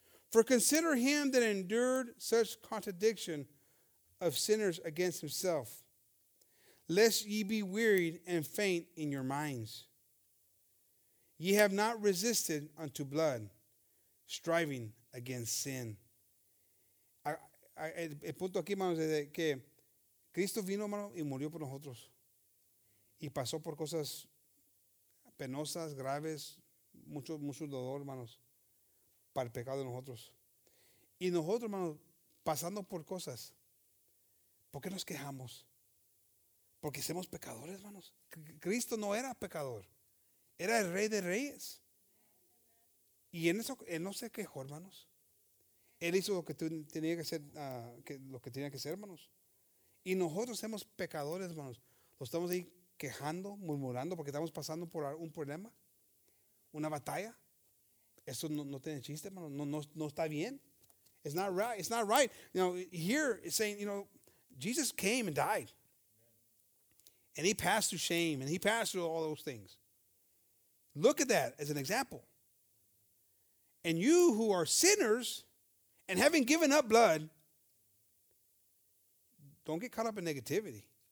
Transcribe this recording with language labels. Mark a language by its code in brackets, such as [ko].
[en] For consider him that endured such contradiction of sinners against himself, lest ye be wearied and faint in your minds. Ye have not resisted unto blood, striving against sin. [es] El punto aquí, hermanos, es que Cristo vino, hermano, y murió por nosotros. Y pasó por cosas penosas, graves, mucho dolor, hermanos, para el pecado de nosotros. Y nosotros, hermanos, pasando por cosas, ¿por qué nos quejamos? Porque somos pecadores, hermanos. Cristo no era pecador. Era el Rey de Reyes. Y en eso, él no se quejó, hermanos. Él hizo lo que tenía que hacer, hermanos. Y nosotros somos pecadores, hermanos. lo estamos ahí quejando, murmurando porque estamos pasando por un problema, una batalla. Eso no tiene chiste, hermano. No está bien. [en] It's not right. It's not right. You know, here it's saying, you know, Jesus came and died. And he passed through shame and he passed through all those things. Look at that as an example. And you who are sinners and having given up blood, don't get caught up in negativity.